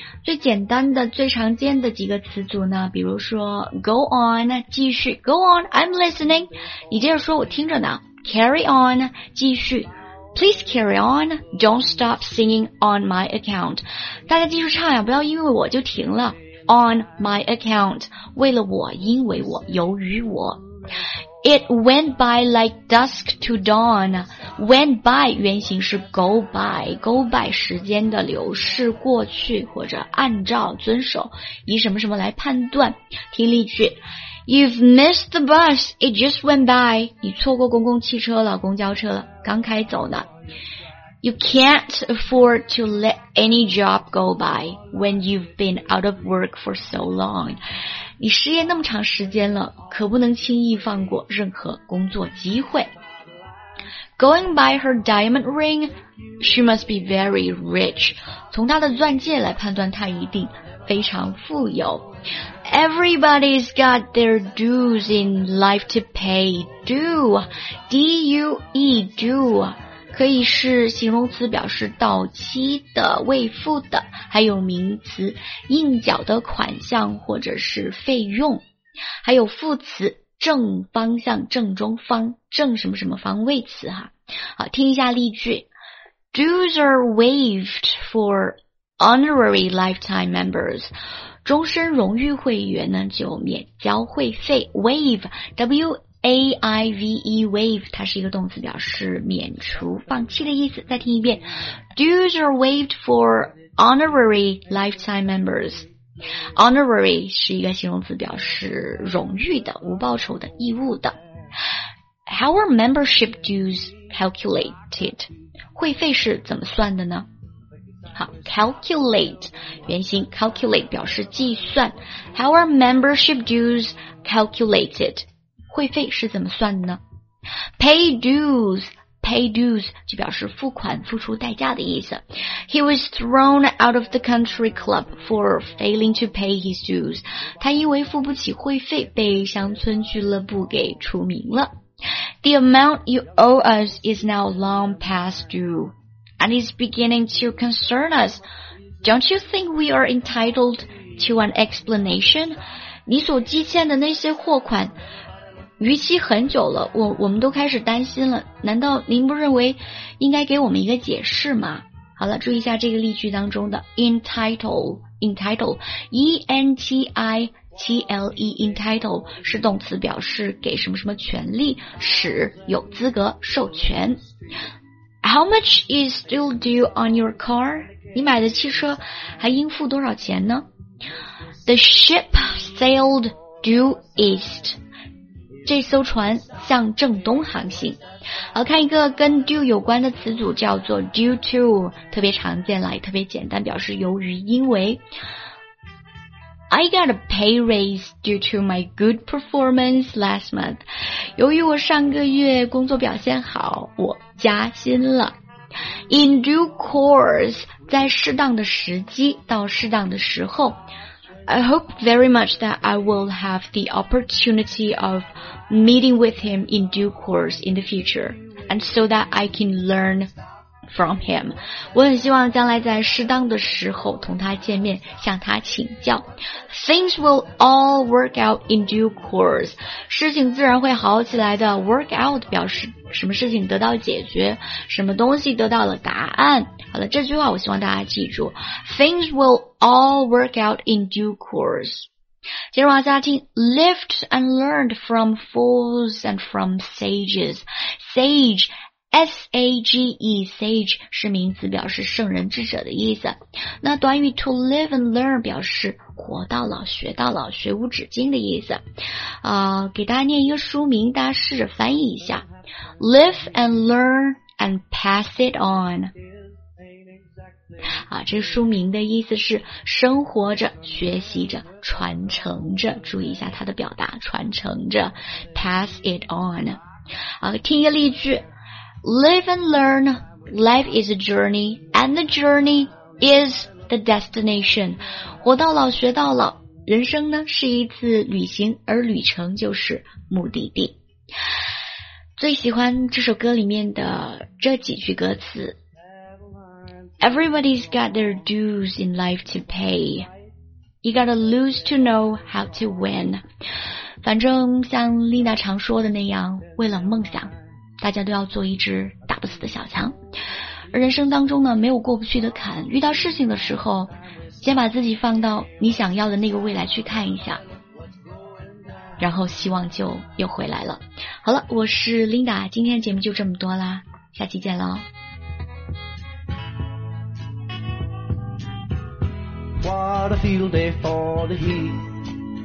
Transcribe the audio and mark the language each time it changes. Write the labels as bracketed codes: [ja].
[zh] 最简单的最常见的几个词组呢，比如说 [en] Go on， [zh] 继续， Go on， [en] I'm listening， [zh] 你接着说我听着呢， [en] Carry on， [zh] 继续， [en] Please carry on， Don't stop singing on my account， [zh] 大家继续唱呀，不要因为我就停了， [en] On my account， [zh] 为了我，因为我，由于我。 [en] It went by like dusk to dawn. Went by [zh] 原型是 [en] go by， [zh] go by 时间的流逝，过去或者按照遵守，以什么什么来判断。听例句， [en] You've missed the bus. It just went by. [zh] 你错过公共汽车了，公交车了，刚开走呢。 [en] You can't afford to let any job go by when you've been out of work for so long. [zh] 你失业那么长时间了，可不能轻易放过任何工作机会。 [en] Going by her diamond ring, she must be very rich. [zh] 从她的钻戒来判断她一定非常富有。 [en] Everybody's got their dues in life to pay. Do, D-U-E, do. [zh] 可以是形容词表示到期的、未付的，还有名词应缴的款项或者是费用，还有副词正方向、正中方、正什么什么方位词哈。好，听一下例句， [en] Dues are waived for honorary lifetime members， [zh] 终身荣誉会员呢就免交会费。 [en] Waive WAIVEAIVE waive [zh] 它是一个动词，表示免除放弃的意思。再听一遍， [en] Dues are waived for honorary lifetime members. [zh] Honorary 是一个形容词，表示荣誉的、无报酬的、义务的。 [en] How are membership dues calculated? [zh] 会费是怎么算的呢？好， calculate 原型， calculate 表示计算。 [en] How are membership dues calculated? [zh] 会费是怎么算的呢？ [en] Pay dues， pay dues [zh] 就表示付款、付出代价的意思。 [en] He was thrown out of the country club for failing to pay his dues， [zh] 他因为付不起会费被乡村俱乐部给除名了。 [en] The amount you owe us is now long past due and is beginning to concern us. Don't you think we are entitled to an explanation? [zh] 你所积欠的那些货款逾期很久了，我们都开始担心了，难道您不认为应该给我们一个解释吗？好了，注意一下这个例句当中的 entitle entitle 是动词，表示给什么什么权利，使有资格授权。 [en] How much is still due on your car? [zh] 你买的汽车还应付多少钱呢？ [en] The ship sailed due east. [zh] 这艘船向正东航行。好，看一个跟 due 有关的词组，叫做 [en] due to， [zh] 特别常见了，特别简单，表示由于、因为。 [en] I got a pay raise due to my good performance last month， [zh] 由于我上个月工作表现好，我加薪了。 [en] In due course， [zh] 在适当的时机到适当的时候。 [en] I hope very much that I will have the opportunity of meeting with him in due course in the future, and so that I can learn from him. [zh] 我很希望将来在适当的时候同他见面，向他请教。 [en] Things will all work out in due course. [zh] 事情自然会好起来的。 [en] Work out [zh] 表示什么事情得到解决，什么东西得到了答案。好了，这句话我希望大家记住。 [en] Things will all work out in due course. [zh] 接着往下听 [en] Lift and learned from fools and from sages. Sage, S-A-G-E, sage [zh] 是名词，表示圣人智者的意思。那短语 [en] to live and learn [zh] 表示活到老学到老，学无止境的意思。给大家念一个书名，大家试着翻译一下。 [en] Live and learn and pass it on. [zh] 啊，这书名的意思是生活着、学习着、传承着。注意一下它的表达，传承着 ， [en] pass it on。 [zh] 啊，听一个例句 ： [en] Live and learn. Life is a journey, and the journey is the destination. [zh] 活到老，学到老，人生呢是一次旅行，而旅程就是目的地。最喜欢这首歌里面的这几句歌词。 [en] Everybody's got their dues in life to pay. You gotta lose to know how to win. [zh] 反正像丽娜常说的那样，为了梦想，大家都要做一只打不死的小强。而人生当中呢，没有过不去的坎。遇到事情的时候，先把自己放到你想要的那个未来去看一下，然后希望就又回来了。好了，我是丽娜，今天的节目就这么多啦，下期见喽。 [en] What a field day for the heat.